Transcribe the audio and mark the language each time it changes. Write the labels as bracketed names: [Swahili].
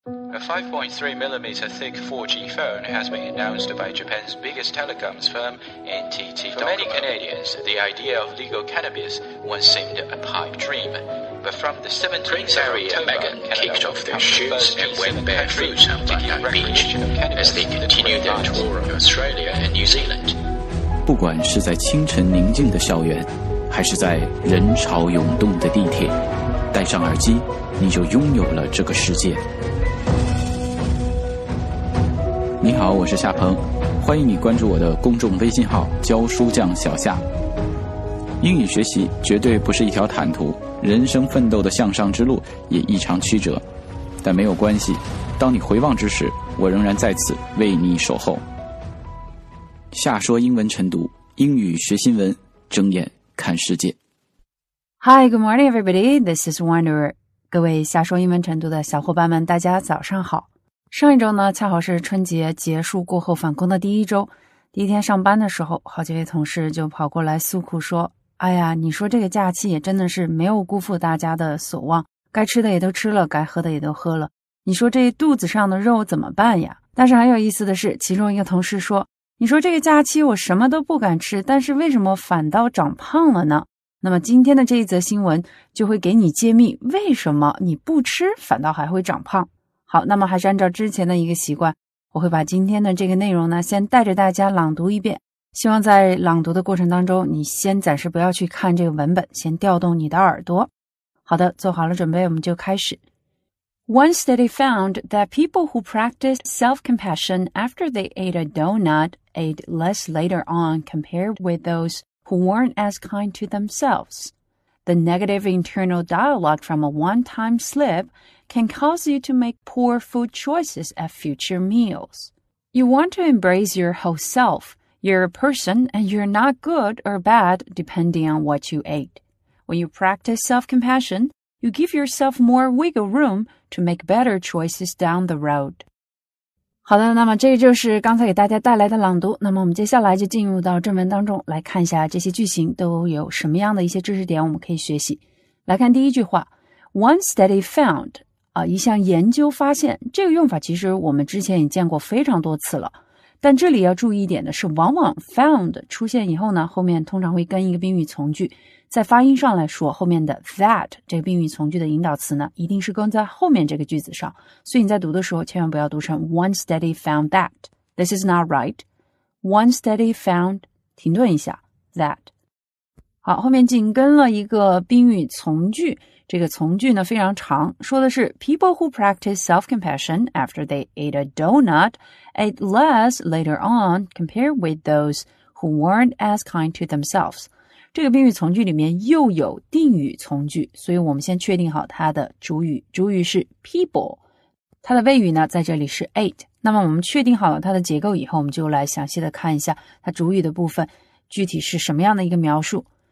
[English] A 5.3mm thick 4G phone has been announced by Japan's biggest telecoms firm, NTT Docomo. For many Canadians, the idea of legal cannabis once seemed a pipe dream. But from the 17th Prince Harry and Meghan kicked off their shoots and went barefoot on Bondi Beach as they continued their tour of Australia and New Zealand. [Chinese] 不管是在清晨宁静的校园，还是在人潮涌动的地铁，戴上耳机，你就拥有了这个世界。你好，我是夏鹏，欢迎你关注我的公众微信号教书匠小夏。英语学习绝对不是一条坦途，人生奋斗的向上之路也异常曲折，但没有关系，当你回望之时，我仍然在此为你守候。夏说英文晨读，英语学新闻，睁眼看世界。 [English] Hi, good morning everybody, this is Wanderer. [Chinese] 各位夏说英文晨读的小伙伴们，大家早上好。上一周呢，恰好是春节结束过后返工的第一周。第一天上班的时候，好几位同事就跑过来诉苦说，哎呀，你说这个假期也真的是没有辜负大家的所望，该吃的也都吃了，该喝的也都喝了，你说这肚子上的肉怎么办呀？但是很有意思的是，其中一个同事说，你说这个假期我什么都不敢吃，但是为什么反倒长胖了呢？那么今天的这一则新闻就会给你揭秘，为什么你不吃反倒还会长胖。好，那么还是按照之前的一个习惯，我会把今天的这个内容呢先带着大家朗读一遍，希望在朗读的过程当中，你先暂时不要去看这个文本，先调动你的耳朵。好的，做好了准备，我们就开始。 [English] One study found that people who practiced self-compassion after they ate a donut ate less later on compared with those who weren't as kind to themselves. The negative internal dialogue from a one-time slip can cause you to make poor food choices at future meals. You want to embrace your whole self. You're a person and you're not good or bad depending on what you ate. When you practice self-compassion, you give yourself more wiggle room to make better choices down the road. [Chinese] 好的，那么这就是刚才给大家带来的朗读。那么我们接下来就进入到正文当中，来看一下这些句型都有什么样的一些知识点我们可以学习。来看第一句话， [English] One study found， [Chinese] 一项研究发现，这个用法其实我们之前也见过非常多次了。但这里要注意一点的是，往往 found 出现以后呢，后面通常会跟一个宾语从句，在发音上来说，后面的 that 这个宾语从句的引导词呢，一定是跟在后面这个句子上，所以你在读的时候千万不要读成 [English] one study found that, this is not right, one study found, [Chinese] 停顿一下 that。好，后面紧跟了一个宾语从句，这个从句呢非常长，说的是 [English] people who practice self-compassion after they ate a donut ate less later on compared with those who weren't as kind to themselves. [Chinese] 这个宾语从句里面又有定语从句，所以我们先确定好它的主语，主语是 people, 它的谓语呢在这里是 ate。那么我们确定好了它的结构以后，我们就来详细的看一下它主语的部分具体是什么样的一个描述。